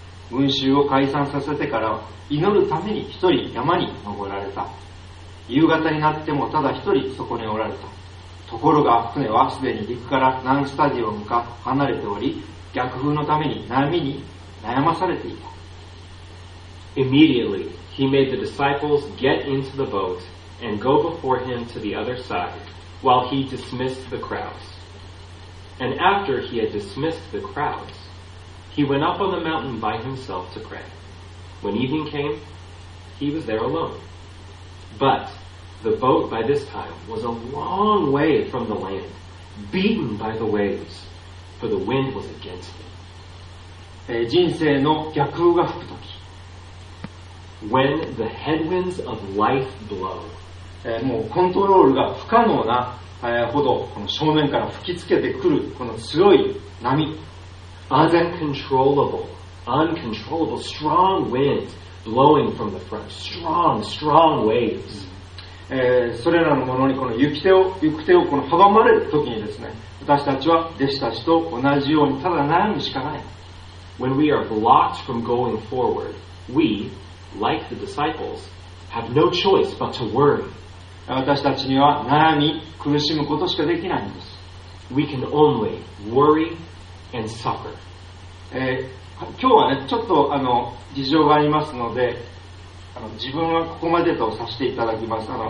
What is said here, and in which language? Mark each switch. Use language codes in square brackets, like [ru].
[ja] 群衆を解散させてから祈るために一人山に登られた。夕方になってもただ一人そこにおられた。ところが船はすでに陸から何スタジオムか離れており、逆風のために波に悩まされていた。 [en] Immediately, he made the disciples get into the boat and go before him to the other side, while he dismissed the crowds. And after he had dismissed the crowds, he went up on the mountain by himself to pray. When evening came, he was there alone. But... The boat by this time was a long way from the land, beaten by the waves, for the wind was against it. [ja] 人生の逆風が吹くとき。 [en] When the headwinds of life blow. [ja] もうコントロールが不可能な、ほどこの正面から吹きつけてくるこの強い波。 [en] Uncontrollable, uncontrollable, strong winds blowing from the front. Strong, strong waves. [ja] それらのものにこの行く手をこの阻まれるときにですね、私たちは弟子たちと同じようにただ悩むしかない。 [en] When we are blocked from going forward, we, like the disciples, have no choice but to worry. [ja] 私たちには悩み、苦しむことしかできないんです。 [en] We can only worry and suffer. [ja] 今日はね、ちょっと事情がありますので、自分はここまでとさせていただきます。